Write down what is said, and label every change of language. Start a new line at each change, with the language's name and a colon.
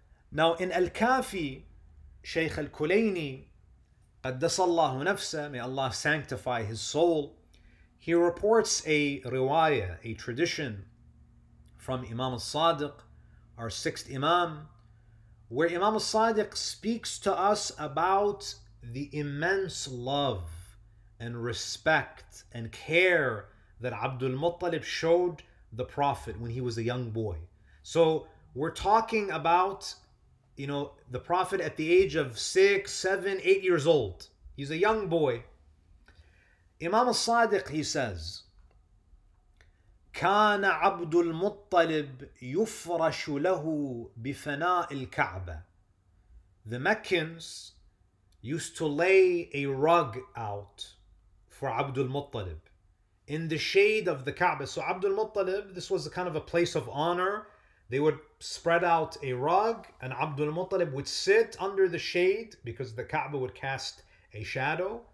English: Now, in Al-Kafi, Shaykh Al-Kulayni,
Arabic: qaddasallahu nafsa,
English: may Allah sanctify his soul, he reports a riwayah, a tradition from Imam al-Sadiq, our sixth Imam, where Imam al-Sadiq speaks to us about the immense love and respect and care that Abdul Muttalib showed the Prophet when he was a young boy. So we're talking about, you know, the Prophet at the age of 6, 7, 8 years old. He's a young boy. Imam al-Sadiq, he says,
Arabic: كان عبد المطلب يفرش له بفناء الكعبة.
English: The Meccans used to lay a rug out for عبد المطلب in the shade of the Kaaba. So عبد المطلب, this was a kind of a place of honor. They would spread out a rug and عبد المطلب would sit under the shade, because the Kaaba would cast a shadow.